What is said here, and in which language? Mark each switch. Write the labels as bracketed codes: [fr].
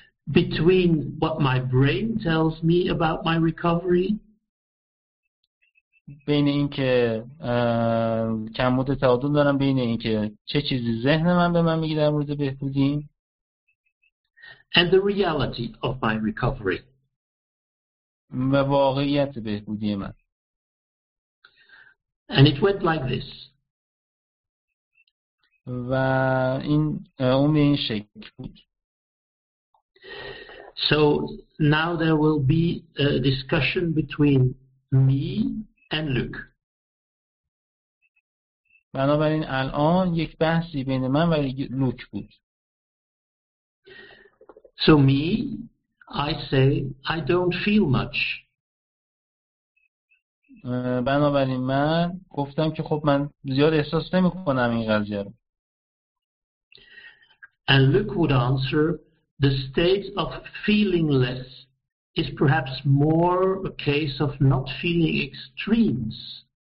[en] Between what my brain tells me about my recovery [fa] بین این که کمبود تعادل دارم، بین این که چه چیزی ذهن من به من میگه در مورد بهبودی، [en] and the reality of my recovery [fa] و واقعیت بهبودی من. [en] And it went like this. [fa] و این اون به این شکل بود. [en] So now there will be a discussion between me and Luke. [fa] بنابراین الان یک بحثی بین من و لوک بود. [en] So me, I say, I don't feel much. [fa] بنابراین من گفتم که خب من زیاد احساس نمی کنم این قضیه رو. [en] And Luke would answer, the state of feeling less is perhaps more a case of not feeling extremes.